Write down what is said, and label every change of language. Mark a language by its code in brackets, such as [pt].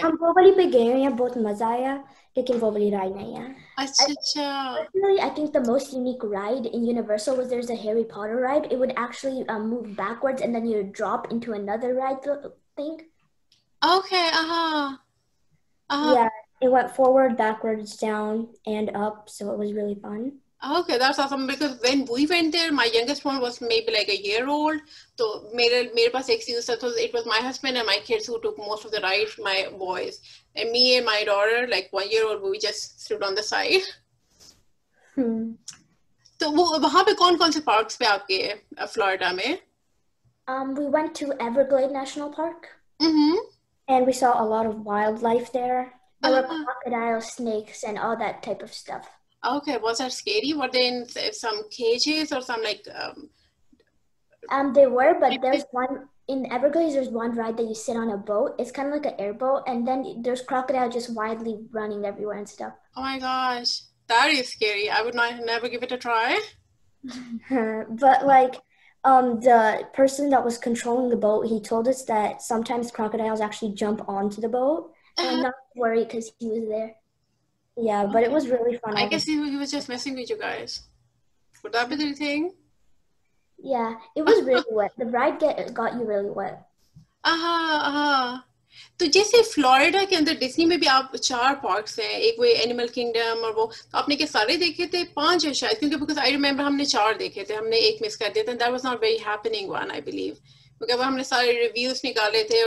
[hi] हम वो वाली पे गए हैं, बहुत मजा आया, लेकिन वो वाली राइड नहीं है. अच्छा. [en] Personally, I think the most unique ride in Universal was there's a Harry Potter ride. It would actually move backwards and then you would drop into another ride thing. Okay. Yeah, it went forward, backwards, down, and up, so it was really fun. Okay, that's awesome. Because when we went there, my youngest one was maybe like a year old. So [hi] mere paas excuse tha, [en] it was my husband and my kids who took most of the rides, my boys. And me and my daughter, like 1 year old, we just stood on the side. Hmm. [hi] तो वो वहां पे कौन कौन से parks पे आपके Florida में? [en] We went to Everglade National Park. Mm-hmm. And we saw a lot of wildlife there. There were crocodiles, snakes, and all that type of stuff. Okay, was that scary? Were they in some cages or some like... They were, but there's one... In Everglades, there's one ride that you sit on a boat. It's kind of like an airboat. And then there's crocodiles just wildly running everywhere and stuff. Oh my gosh, that is scary. I would not never give it a try. But like... the person that was controlling the boat, he told us that sometimes crocodiles actually jump onto the boat. And not worry because he was there. Yeah, but okay. It was really fun. I guess he was just messing with you guys. Would that be the thing? Yeah, it was really wet. The ride got you really wet. [hi] तो जैसे Florida के अंदर Disney में भी आप चार parks हैं, एक वो एनिमल किंगडम और वो तो आपने के सारे देखे थे, पांच है शायद, क्योंकि [en] because I remember [hi] हमने चार देखे थे, हमने एक मिस कर दिया था, [en] that was not very happening one I believe, because [hi] वो हमने सारे रिव्यूज निकाले थे.